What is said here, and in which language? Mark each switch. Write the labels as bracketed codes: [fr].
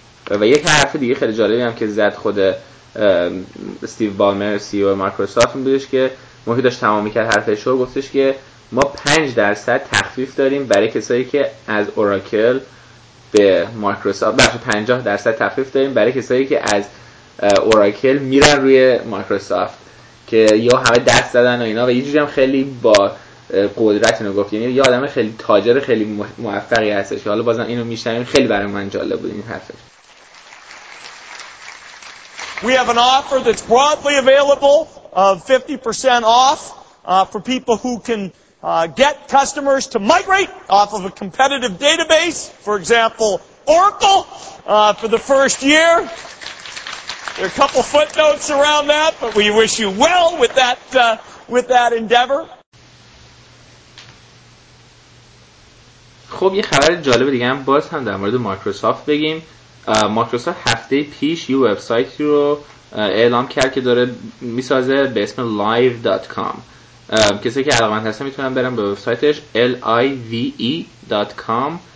[fa] و یک حرف دیگه خیلی جالبی هم که زد خود استیو بالمر سی او مایکروسافت بودش که موقعی داشت تمام میکرد حرفش رو گفتش که ما 5% تخفیف داریم برای کسایی که از اوراکل به مایکروسافت، بخش 50% تخفیف داریم برای کسایی که از اوراکل میرن روی مایکروسافت، که یا همه دست زدن و اینا. و یه جوری هم خیلی با قدرت اینو گفت، یعنی یه آدم خیلی تاجر خیلی موفقی هستش که حالا بازم اینو میشنیم، خیلی برای من جالب بود این حرفش. [en] We have an offer that's broadly available of 50% off for people who can get customers to migrate off of a competitive database, for example Oracle, for the first year. There are a couple footnotes around that, but we wish you well with that endeavor. خب [fa] خب یه خبر جالب دیگه هم باز هم در مورد مایکروسافت بگیم. مایکروسافت هفته پیش یه وبسایتی رو اعلام کرد که داره میسازه به اسم live.com. کسی که علاقمند هستن میتونن برن به وبسایتش live.com.